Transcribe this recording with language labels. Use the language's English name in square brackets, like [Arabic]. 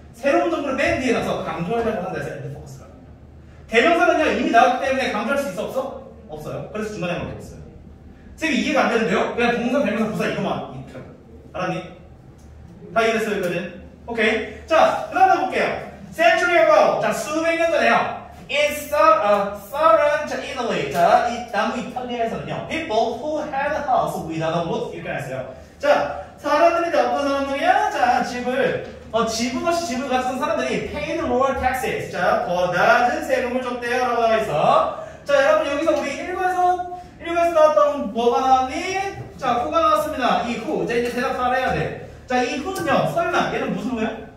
[Korean] 새로운 정보를 뺀 뒤에 가서 강조하려고 한다 해서 엔드 포커스가. 대명사는요, 이미 나왔기 때문에 강조할 수 있어, 없어? 없어요. 그래서 중간에 밖에 없어요. 선생님, 이해가 안 되는데요? 그냥 동사, 대명사, 부사 이것만 있죠. 알았니? 다 이해됐어요, 여기까지? 오케이. 자, 그 다음 해볼게요. [English] Century ago. [Korean] 자, 수백 년 전에요. [English] In southern Italy. [Korean] 자, 이 남부 이탈리아에서는요. [English] People who had a house without a roof. [Korean] 이렇게 했어요. 자, 사람들이 어떤 사람들이야? 자, 집을 없이 집을 갖춘 사람들이 [English] paid lower taxes. [Korean] 자, 더 낮은 세금을 줬대요. 라고 해서. 자, 여러분, 여기서 우리 1부에서 나왔던 뭐가 나왔니? 자, 후가 나왔습니다. 이 후. 자, 이제 대답 잘해야 돼. 자, 이 후는요. 설마. 얘는 무슨 후야?